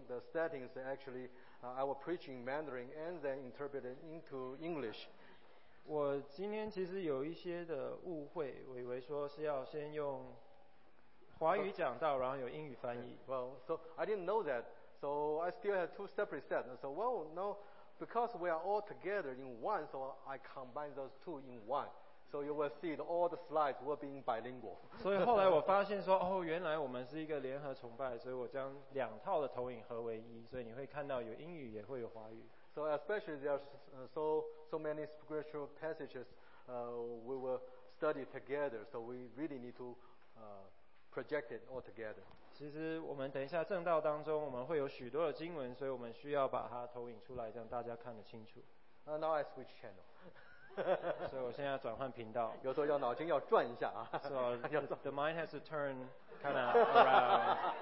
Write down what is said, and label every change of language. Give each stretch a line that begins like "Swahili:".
English: The settings actually, I was preaching Mandarin and then interpreted into English.
Chinese: 我今天其实有一些的误会，我以为说是要先用华语讲道，然后有英语翻译。
English: Well, so I didn't know that. So I still have two separate sets. So well, no, because we are all together in one, so I combine those two in one. So you will see that all the slides will be in bilingual.
Chinese: 所以后来我发现说，哦，原来我们是一个联合崇拜，所以我将两套的投影合为一，所以你会看到有英语也会有华语。
English: So especially there are so many scriptural passages we will study together. So we really need to project it all together.
Chinese: 其实我们等一下正道当中我们会有许多的经文，所以我们需要把它投影出来，让大家看得清楚。
English: Now I switch channel.
Chinese: 所以我现在要转换频道，有时候要脑筋要转一下啊。
English: So the mind has to turn kind of around.